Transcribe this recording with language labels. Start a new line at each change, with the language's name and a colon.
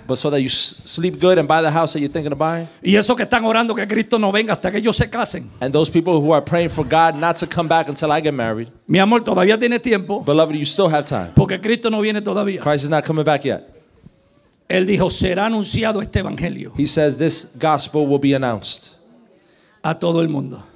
English: But so that you sleep good and buy the house that you're thinking of buying.
Spanish: Y esos que están orando que Cristo no venga hasta que ellos se casen.
English: And those people who are praying for God not to come back until I get married.
Spanish: Mi amor, todavía tiene tiempo.
English: Beloved, you still have time.
Spanish: Porque Cristo no viene todavía.
English: Christ is not coming back yet.
Spanish: Él dijo, será anunciado este evangelio.
English: He says this gospel will be announced.
Spanish: A todo el mundo.